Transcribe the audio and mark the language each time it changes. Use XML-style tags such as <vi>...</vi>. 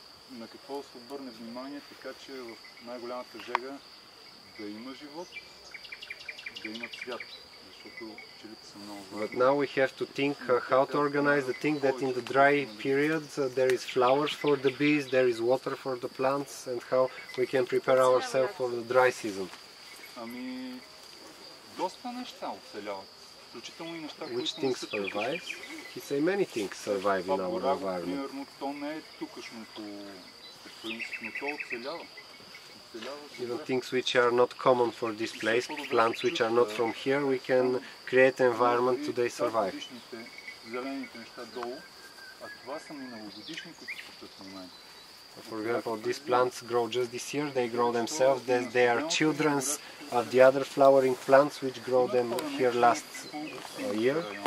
<bg>На какво да се обърне внимание, така че в най-голямата жега да има живот, да има цвят, защото пчелите са много важни.</bg> <en>But now we have to think how to organize the thing that in the dry period there is flowers for the bees, there is water for the plants, and how we can prepare ourselves for the dry season.</en> <bg>Ами, доста неща оцеляват. Включително и неща,</bg> <en>which things survive? He say many things survive in our environment.</en> <bg>Примерно, то не е тукашното, но то оцелява.</bg> <en>Even things which are not common for this place, plants which are not from here, we can create an environment to they survive.</en> <bg>Зелените неща долу, а това са миналогодишни, които се тъпят в момента.</bg> <en>For example, these plants grow just this year, they grow themselves, they are children's of the other flowering plants which grow them here last year.</en>